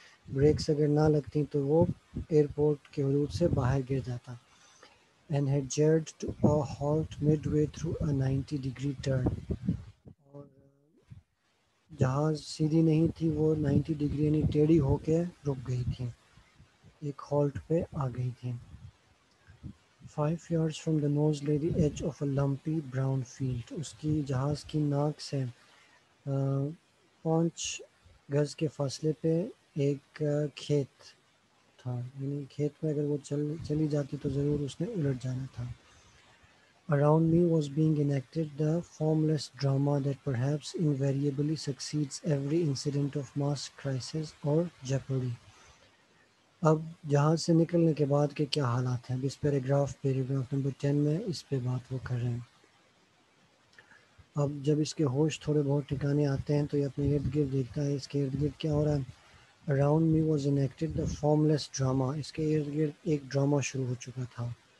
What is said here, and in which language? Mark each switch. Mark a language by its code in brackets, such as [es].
[hi] Breaks अगर ना लगती तो वो एयरपोर्ट के हदूद से बाहर गिर जाता [en] And had jerked to a halt midway through a 90 degree turn. [hi] और जहाज सीधी नहीं थी, वो 90 डिग्री यानी टेढ़ी होके रुक गई थी, एक हॉल्ट पे आ गई थी। [en] 5 yards from the nose lay the edge of a lumpy brown field। [hi] उसकी जहाज की नाक से 5 गज के फासले पे एक खेत था, यानी खेत में अगर वो चली जाती तो ज़रूर उसने उलट जाना था। [en] Around me was being enacted the formless drama that perhaps invariably succeeds every incident of mass crisis or jeopardy। [hi] अब जहाज से निकलने के बाद के क्या हालात हैं, इस पैराग्राफ पैराग्राफ नंबर 10 में इस पे बात वो कर रहे हैं। अब जब इसके होश थोड़े बहुत ठिकाने आते हैं तो ये अपने इर्द गिर्द देखता है इसके इर्द गिर्द क्या हो रहा है। [en] around me was enacted the formless drama, [hi] इसके इर्द गिर्द एक ड्रामा शुरू हो चुका था।